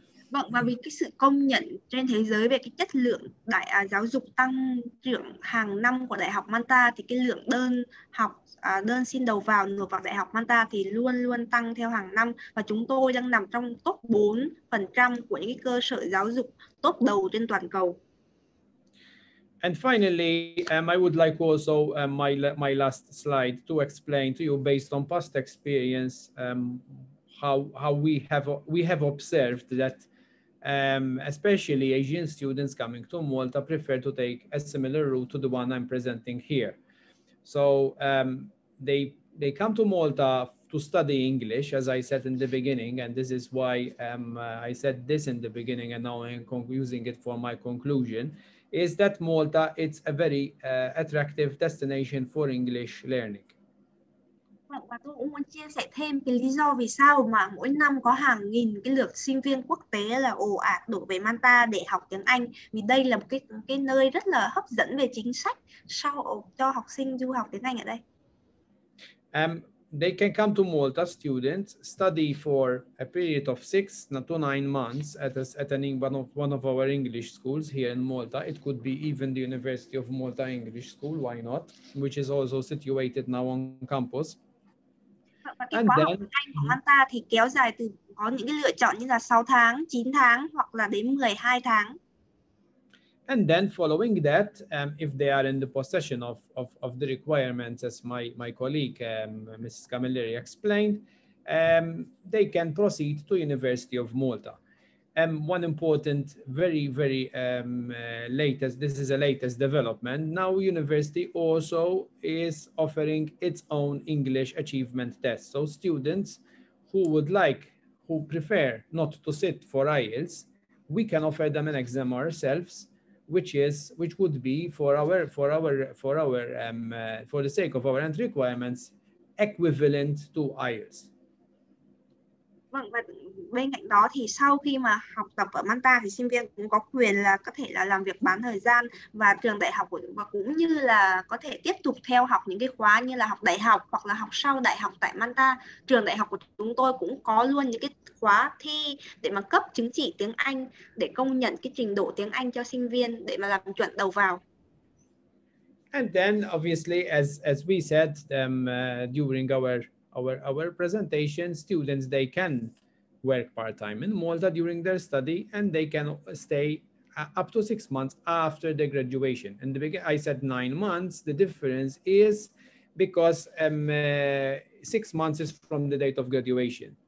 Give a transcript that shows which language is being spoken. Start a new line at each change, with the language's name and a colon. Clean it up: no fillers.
Vietnamese: Vâng, và vì cái sự công nhận trên thế giới về cái chất lượng giáo dục tăng trưởng hàng năm của Đại học Malta thì cái lượng đơn xin đầu vào nộp vào Đại học Malta thì luôn luôn tăng theo hàng năm và chúng tôi đang nằm trong top 4% của những cái cơ sở giáo dục top đầu trên toàn cầu.
English: And finally, I would like also my last slide to explain to you based on past experience how we have observed that especially Asian students coming to Malta prefer to take a similar route to the one I'm presenting here. So they come to Malta to study English, as I said in the beginning, and this is why I said this in the beginning and now I'm using it for my conclusion, is that Malta, it's a very attractive destination for English learning.
Vietnamese: Và tôi cũng muốn chia sẻ thêm cái lý do vì sao mà mỗi năm có hàng nghìn cái lượt sinh viên quốc tế là ồ ạt đổ về Malta để học tiếng Anh. Vì đây là một cái nơi rất là hấp dẫn về chính sách cho học sinh du học tiếng Anh ở đây.
English: They can come to Malta students, study for a period of 6 to 9 months at one of our English schools here in Malta. It could be even the University of Malta English School, why not? Which is also situated now on campus.
Vietnamese: Và cái khóa học tiếng Anh của Malta thì kéo dài từ có những cái lựa chọn như là 6 tháng, 9 tháng hoặc là đến 12 tháng.
English: And then following that, if they are in the possession of the requirements, as my colleague, Mrs. Camilleri explained, they can proceed to University of Malta. One important, very, very latest, this is a latest development. Now university also is offering its own English achievement test. So students who would like, who prefer not to sit for IELTS, we can offer them an exam ourselves, which would be for the sake of our entry requirements, equivalent to IELTS.
Vietnamese: Vâng, và bên cạnh đó thì sau khi mà học tập ở Malta thì sinh viên cũng có quyền là có thể là làm việc bán thời gian và trường đại học và cũng như là có thể tiếp tục theo học những cái khóa như là học đại học hoặc là học sau đại học tại Malta. Trường đại học của chúng tôi cũng có luôn những cái khóa thi để mà cấp chứng chỉ tiếng Anh để công nhận cái trình độ tiếng Anh cho sinh viên để mà làm chuẩn đầu vào.
English: And then obviously as we said during our presentation, students, they can work part-time in Malta during their study and they can stay up to 6 months after the graduation. And I said 9 months, the difference is because 6 months is from the date of graduation.